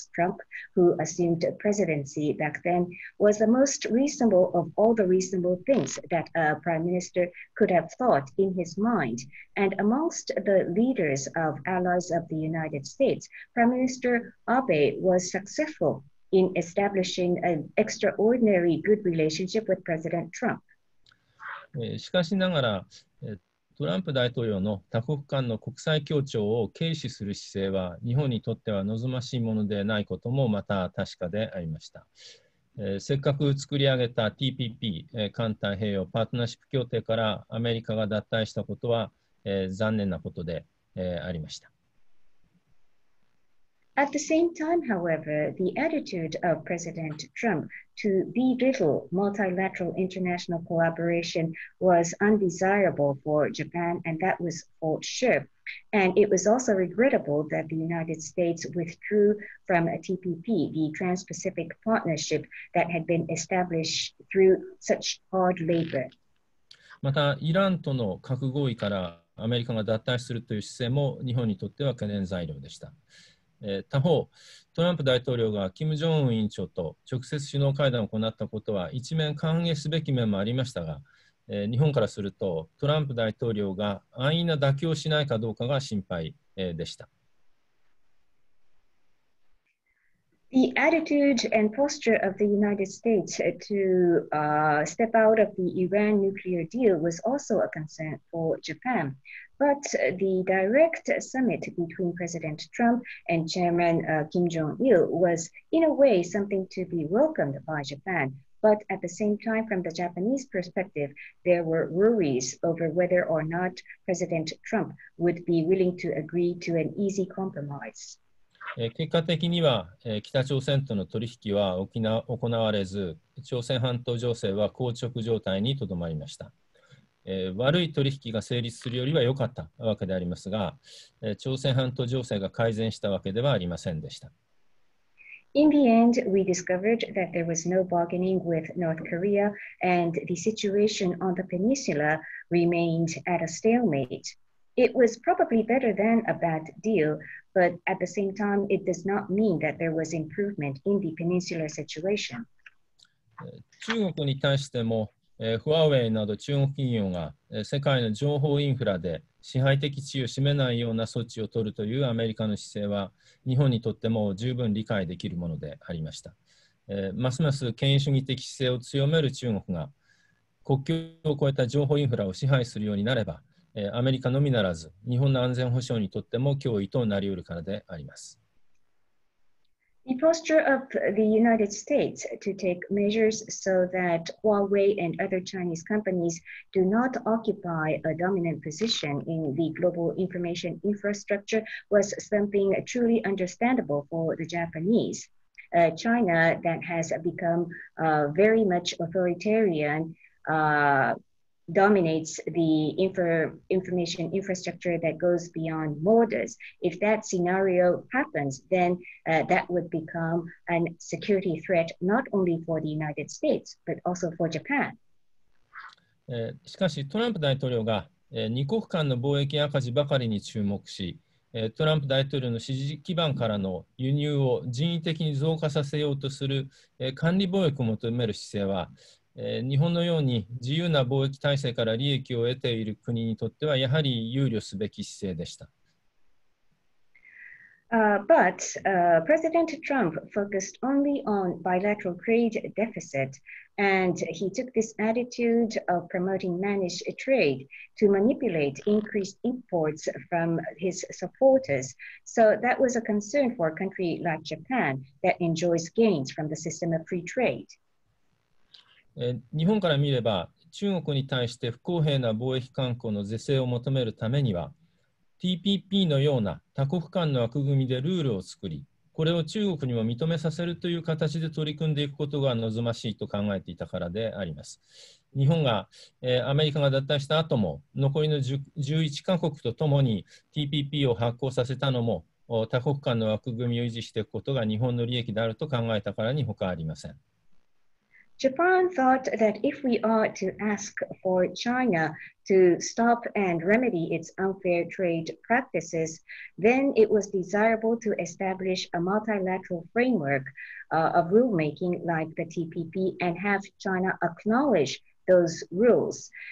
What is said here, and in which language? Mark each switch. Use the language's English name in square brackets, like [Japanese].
[English] Trump, who assumed presidency back then, was the most reasonable of all the reasonable things that a prime minister could have thought in his mind. And amongst the leaders of allies of the United States, Prime Minister Abe was successful in establishing an extraordinary good relationship with President Trump. [Japanese] しかしながら、トランプ大統領の多国間の国際協調を軽視する姿勢は日本にとっては望ましいものでないこともまた確かでありました。せっかく作り上げた TPP、環太平洋パートナーシップ協定からアメリカが脱退したことは、残念なことで、ありました。 [English] At the same time, however, the attitude of President Trump to belittle multilateral international collaboration was undesirable for Japan, and that was for sure. And it was also regrettable that the United States withdrew from TPP, the Trans-Pacific Partnership that had been established through such hard labor. [Japanese] また、イランとの核合意からアメリカが脱退するという姿勢も日本にとっては懸念材料でした。他方、トランプ大統領が金正恩委員長と直接首脳会談を行ったことは一面歓迎すべき面もありましたが、日本からするとトランプ大統領が安易な妥協をしないかどうかが心配でした。 [English] The attitude and posture of the United States to step out of the Iran nuclear deal was also a concern for Japan. But the direct summit between President Trump and Chairman Kim Jong-il was in a way something to be welcomed by Japan. But at the same time, from the Japanese perspective, there were worries over whether or not President Trump would be willing to agree to an easy compromise. [Japanese] 結果的には北朝鮮との取引は行われず、朝鮮半島情勢は硬直状態にとどまりました。悪い取引が成立するよりは良かったわけでありますが、朝鮮半島情勢が改善したわけではありませんでした。 [English] In the end, we discovered that there was no bargaining with North Korea and the situation on the peninsula remained at a stalemate. It was probably better than a bad deal, but at the same time, it does not mean that there was improvement in the peninsular situation. [Japanese] 中国に対しても、フォアウェイなど中国企業が、世界の情報インフラで支配的地位を占めないような措置を取るというアメリカの姿勢は、日本にとっても十分理解できるものでありました。ますます権威主義的姿勢を強める中国が、国境を越えた情報インフラを支配するようになれば、アメリカのみならず、日本の安全保障にとっても脅威となりうるからであります。 [English] The posture of the United States to take measures so that Huawei and other Chinese companies do not occupy a dominant position in the global information infrastructure was something truly understandable for the Japanese. China that has become very much authoritarian, dominates the information infrastructure that goes beyond borders. If that scenario happens, then that would become a security threat not only for the United States, but also for Japan. [Japanese] しかし、トランプ大統領が二国間の貿易赤字ばかりに注目し、トランプ大統領の支持基盤からの輸入を人為的に増加させようとする管理貿易を求める姿勢は、日本のように自由な貿易体制から利益を得ている国にとってはやはり憂慮すべき姿勢でした。 [English] But President Trump focused only on bilateral trade deficit, and he took this attitude of promoting managed trade to manipulate increased imports from his supporters. So that was a concern for a country like Japan that enjoys gains from the system of free trade. [Japanese] 日本から見れば、中国に対して不公平な貿易慣行の是正を求めるためには、TPP のような多国間の枠組みでルールを作り、これを中国にも認めさせるという形で取り組んでいくことが望ましいと考えていたからであります。日本が、アメリカが脱退した後も、残りの11カ国とともに TPP を発行させたのも、多国間の枠組みを維持していくことが日本の利益であると考えたからに他ありません。 [English] Japan thought that if we are to ask for China to stop and remedy its unfair trade practices, then it was desirable to establish a multilateral framework, of rulemaking like the TPP and have China acknowledge those rules.